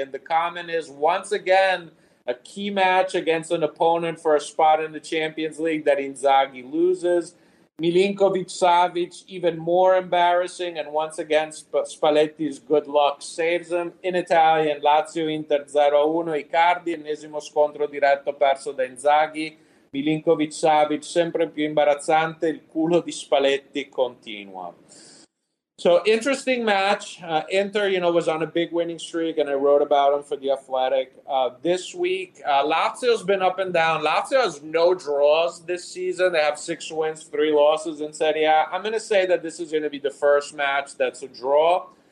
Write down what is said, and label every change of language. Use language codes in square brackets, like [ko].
[en] And the comment is, once again, a key match against an opponent for a spot in the Champions League that Inzaghi loses. Milinkovic-Savic, even more embarrassing. And once again, Spalletti's good luck saves him. In Italian, Lazio-Inter 0-1. [it] Icardi, ennesimo scontro diretto perso da Inzaghi. Milinkovic-Savic, sempre più imbarazzante. Il culo di Spalletti continua. [en] So, interesting match. Inter, you know, was on a big winning streak, and I wrote about him for The Athletic this week. Lazio's been up and down. Lazio has no draws this season. They have 6 wins, 3 losses in Serie A. I'm going to say that this is going to be the first match that's a draw.